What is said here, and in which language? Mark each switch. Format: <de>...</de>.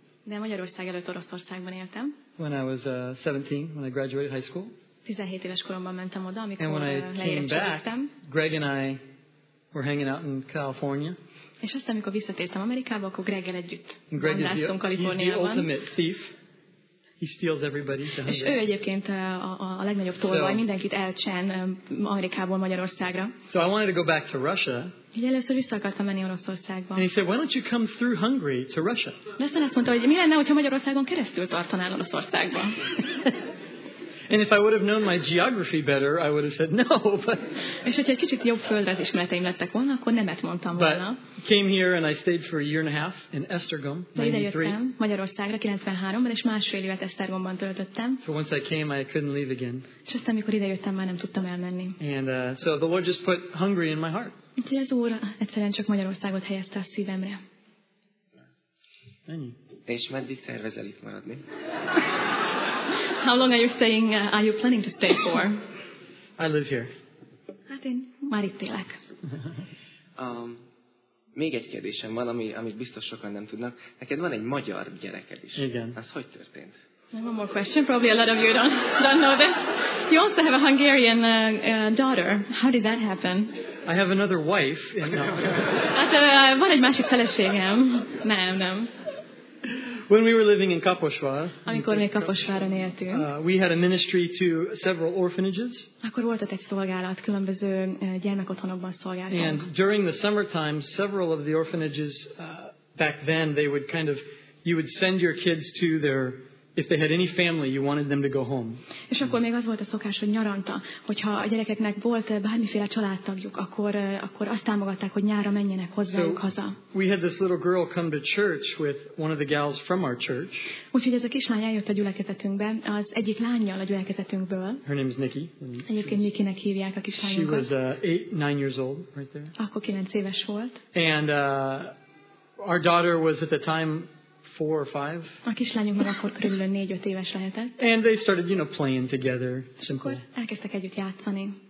<hu>De Magyarország előtt Oroszországban éltem.</hu> <en>When I was 17, when I graduated high school.</en> <hu>17 éves koromban mentem oda, amikor</hu> <en>and when I came back, Greg and I were hanging out in California.</en> <hu>És aztán, amikor visszatértem Amerikába, akkor Greggel együtt vandáztunk Kaliforniában. És ő egyébként a legnagyobb tolvaj, so, mindenkit elcsen Amerikából Magyarországra.</hu> <en>So I wanted to go back to Russia.</en> <hu>Így először vissza akartam menni Oroszországba.</hu> <en>And he said, why don't you come through Hungary to Russia?</en> <hu>De aztán azt mondta, hogy mi lenne, hogyha Magyarországon keresztül tartanál Oroszországba?</hu> <en>And if I would have known my geography better, I would have said no. But</en> <hu>és hogyha egy kicsit jobb földrajzi ismereteim lettek volna, akkor nemet mondtam volna.</hu> <en>But came here and I stayed for a year and a half in Esztergom, 93.</en> <hu>Idejöttem Magyarországra 93-ban, és másfél évet Esztergomban töltöttem.</hu> <en>So once I came, I couldn't leave again.</en> <hu>És aztán, amikor idejöttem, már nem tudtam elmenni.</hu> <en>And so the Lord just put Hungary in my heart.</en> <hu>Úgyhogy az Úr egyszerűen csak Magyarországot helyezte a szívemre. Ennyi. És meddig tervezel itt maradni?</hu> <en>How long are you staying? Are you planning to stay for? I live here.</en> <hu>Hát én már itt élek. Még egy kérdésem van, amit biztos sokan nem tudnak. Neked van egy magyar gyereked is. Igen. Az hogy történt?</hu> <en>One more question. Probably a lot of you don't know this. You also have a Hungarian daughter. How did that happen? I have another wife. No.</en> <hu>Hát van egy másik feleségem. Nem.</hu> <en>When we were living in Kaposvár,</en> <hu>amikor még Kaposváron éltünk,</hu> <en>we had a ministry to several orphanages.</en> <hu>Akkor voltat egy szolgálat, különböző gyermekotthonokban szolgáltunk.</hu> <en>And during the summertime, several of the orphanages back then, they would kind of, you would send your kids to their, if they had any family, you wanted them to go home.</en> <hu>És akkor még az volt a szokás, hogy nyaranta, hogyha a gyerekeknek volt bármiféle családtagjuk, akkor azt támogatták, hogy nyára menjenek hozzájuk haza.</hu> <en>We had this little girl come to church with one of the gals from our church.</en> <hu>Úgyhogy ez a kislány eljött a gyülekezetünkbe, az egyik lányjal a gyülekezetünkből.</hu> <en>Her name is Nikki.</en> <hu>Egyébként Nikinek hívják a kislányunkat.</hu> <en>She was 8-9 years old right there.</en> <hu>Akkor 9 éves volt.</hu> <en>And our daughter was at the time 4 or 5.</en> <hu>A kislányunk meg akkor körülbelül 4-5 éves lehetett.</hu> <en>And they started, you know, playing together. Simple.</en> <hu>Elkezdtek együtt játszani.</hu>